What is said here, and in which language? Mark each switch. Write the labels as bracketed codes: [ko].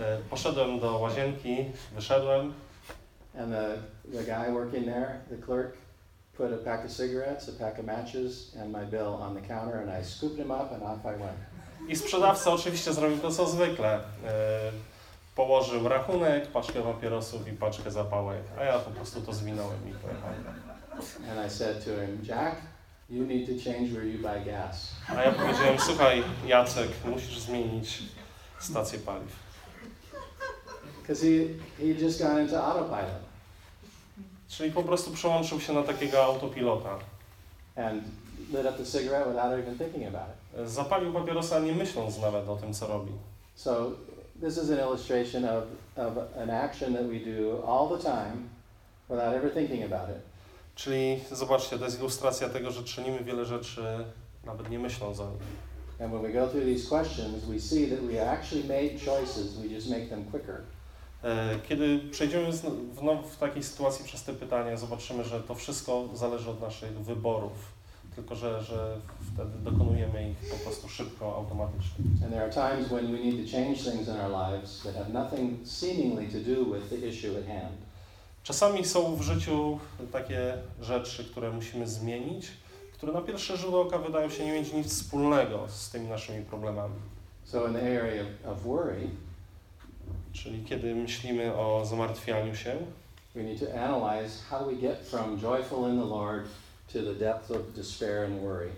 [pl] Poszedłem do łazienki, wyszedłem. [en] And the guy working there, the clerk, put a pack of cigarettes, a pack of matches and my bill on the counter and I scooped him up and off I went. [pl] I sprzedawca oczywiście zrobił to, co zwykle. Położył rachunek, paczkę papierosów i paczkę zapałek, a ja po prostu to zwinąłem i pojechałem. [en] And I said to him, "Jack, you need to change where you buy gas." [pl] A ja powiedziałem, "Słuchaj, Jacek, musisz zmienić stację paliw." [en] Because he just got into autopilot. [pl] Czyli po prostu przełączył się na takiego autopilota. [en] And lit up the cigarette without even thinking about it. [pl] Zapalił papierosa, nie myśląc nawet o tym, co robi. [en] So this is an illustration of an action that we do all the time without ever thinking about it. [pl] Czyli zobaczcie, to jest ilustracja tego, że czynimy wiele rzeczy nawet nie myśląc o nich. [en] And when we go through these questions, we see that we actually made choices, we just make them quicker. [pl] Kiedy przejdziemy w takiej sytuacji przez te pytania, zobaczymy, że to wszystko zależy od naszych wyborów, tylko że wtedy dokonujemy ich po prostu szybko, automatycznie. [en] And there are times when we need to change things in our lives that have nothing seemingly to do with the issue at hand. [pl] Czasami są w życiu takie rzeczy, które musimy zmienić, które na pierwszy rzut oka wydają się nie mieć nic wspólnego z tymi naszymi problemami. [en] So in the area of worry, [pl] czyli kiedy myślimy o zmartwianiu się, [en] we need to analyze how we get from joyful in the Lord to the depth of despair and worry.